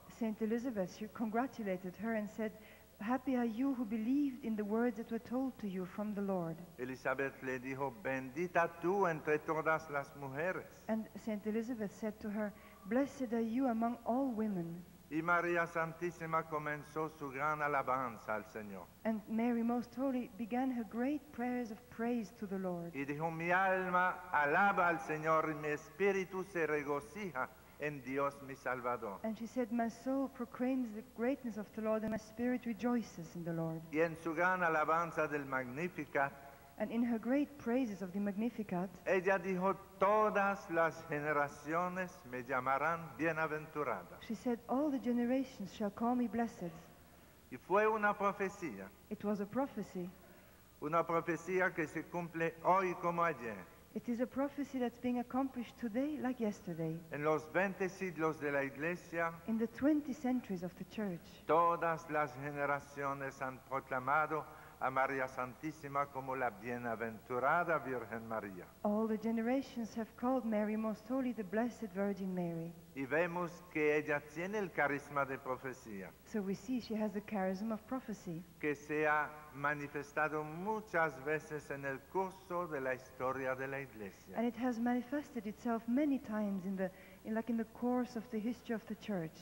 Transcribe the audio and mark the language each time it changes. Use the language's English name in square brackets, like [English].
[English] Saint Elizabeth, she congratulated her and said, Happy are you who believed in the words that were told to you from the Lord. [Spanish] Elizabeth le dijo, Bendita tú entre todas las mujeres. [English] And Saint Elizabeth said to her, Blessed are you among all women. [Spanish] Y María Santísima comenzó su gran alabanza al Señor. [English] And Mary most holy began her great prayers of praise to the Lord. [Spanish] Y dijo, Mi alma alaba al Señor y mi espíritu se regocija en Dios mi Salvador. [English] And she said, My soul proclaims the greatness of the Lord and my spirit rejoices in the Lord. [Spanish] Y en su gran alabanza del Magnificat, [English] and in her great praises of the Magnificat, [Spanish] ella dijo, Todas las generaciones me llamarán bienaventurada. [English] She said, All the generations shall call me blessed. [Spanish] Y fue una profecía. [English] It was a prophecy. [Spanish] Una profecía que se cumple hoy como ayer. [English] It is a prophecy that's being accomplished today like yesterday. [Spanish] En los 20 siglos de la iglesia, [English] in the 20 centuries of the church, [Spanish] todas las generaciones han proclamado a María Santísima como la bienaventurada Virgen María. [English] All the generations have called Mary most holy the blessed Virgin Mary. [Spanish] Y vemos que ella tiene el carisma de profecía. [English] So we see she has the charism of prophecy. [Spanish] Que se ha manifestado muchas veces en el curso de la historia de la iglesia. [English] And it has manifested itself many times in the course of the history of the church.